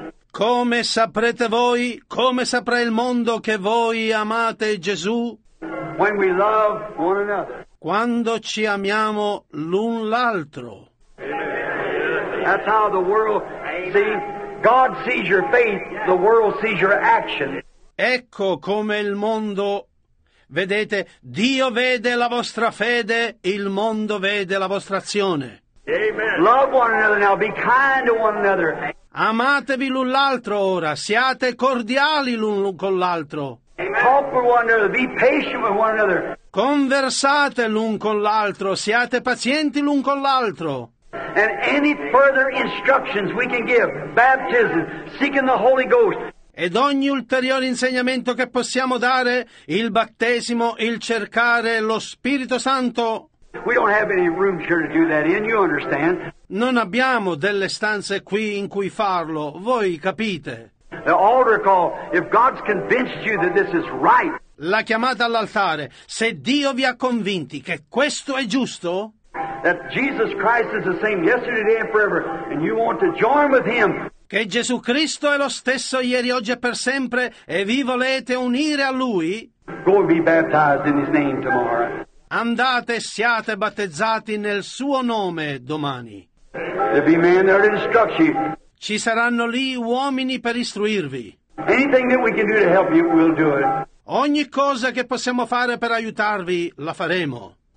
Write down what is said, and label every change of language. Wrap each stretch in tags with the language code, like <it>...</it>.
<it>Come saprete voi, come saprà il mondo che voi amate Gesù?</it> <en>When we love one another.</en> <it>Quando ci amiamo l'un l'altro.</it> <en>That's how the world sees. God sees your faith, the world sees your action.</en> <it>Ecco come il mondo, vedete, Dio vede la vostra fede, il mondo vede la vostra azione.</it> <en>Amen. Love one another now, be kind to one another.</en> <it>Amatevi l'un l'altro ora, siate cordiali l'un con l'altro.</it> <en>Talk with one another, be patient with one another.</en> <it>Conversate l'un con l'altro, siate pazienti l'un con l'altro.</it> <en>And any further instructions we can give, baptism, seeking the Holy Ghost.</en> <it>Ed ogni ulteriore insegnamento che possiamo dare, il battesimo, il cercare lo Spirito Santo.</it> <en>We don't have any room here to do that in, you understand?</en> <it>Non abbiamo delle stanze qui in cui farlo, voi capite.</it> <en>The altar call, if God's convinced you that this is right.</en> <it>La chiamata all'altare, se Dio vi ha convinti che questo è giusto.</it> <en>That Jesus Christ is the same yesterday, today and forever, and you want to join with him.</en> <it>Che Gesù Cristo è lo stesso ieri, oggi e per sempre, e vi volete unire a lui.</it> <en>Go and be baptized in his name tomorrow.</en> <it>Andate, siate battezzati nel suo nome domani.</it> <en>There'll be men there to instruct you.</en> <it>Ci saranno lì uomini per istruirvi.</it> <en>Anything that we can do to help you, we'll do it.</en> <it>Ogni cosa che possiamo fare per aiutarvi, la faremo.</it>